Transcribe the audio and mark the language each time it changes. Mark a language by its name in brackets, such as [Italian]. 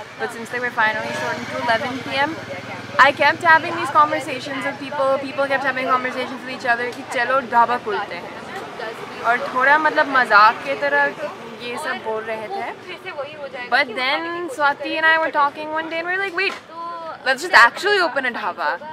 [English] But since they were finally shortened to 11 p.m., I kept having these conversations with people. People kept having conversations with each other. [Hindi] कि चलो ढाबा खुलते हैं और थोड़ा मतलब मजाक के तरह ये सब बोल रहे थे. [English] But then Swati and I were talking one day and we were like, wait, let's just actually open a dhaba.